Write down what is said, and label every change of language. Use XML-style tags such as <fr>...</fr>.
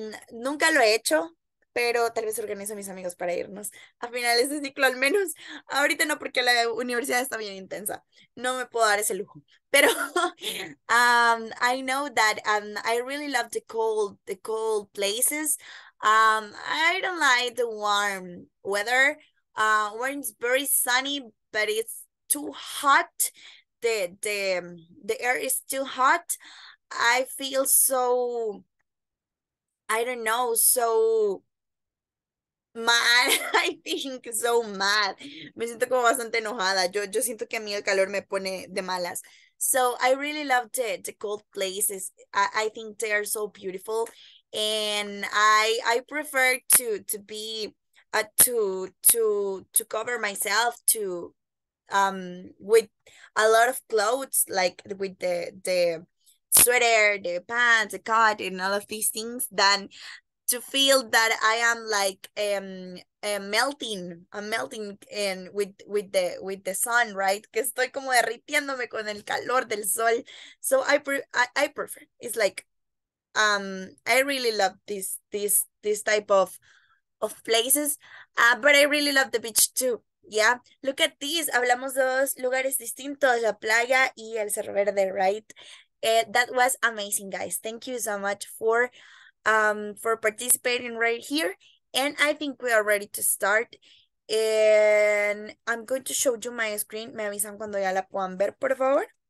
<es>Nunca lo he hecho. Pero tal vez organizo a mis amigos para irnos a finales de ciclo, al menos. Ahorita no, porque la universidad está bien intensa. No me puedo dar ese lujo.</es> <en>Pero I know that I really love the cold places. I don't like the warm weather. When it's very sunny, but it's too hot. The air is too hot. I feel so, I don't know, so mad, I think, so mad.</en> <es>Me siento como bastante enojada. Yo siento que a mí el calor me pone de malas.</es> <en>So I really loved the cold places. I think they are so beautiful. And I prefer to be, to cover myself with a lot of clothes, like with the sweater, the pants, the coat, and all of these things, than to feel that I am like melting and with the sun, right?</en> <es>Que estoy como derritiéndome con el calor del sol.</es> <en>So I prefer. It's like I really love this type of places. But I really love the beach too. Yeah, look at this.</en> <es>Hablamos dos lugares distintos, la playa y el Cerro Verde, right?</es> <en>That was amazing, guys. Thank you so much for participating right here, and I think we are ready to start, and I'm going to show you my screen.</en> <es>Me avisan cuando ya la puedan ver, por favor.</es>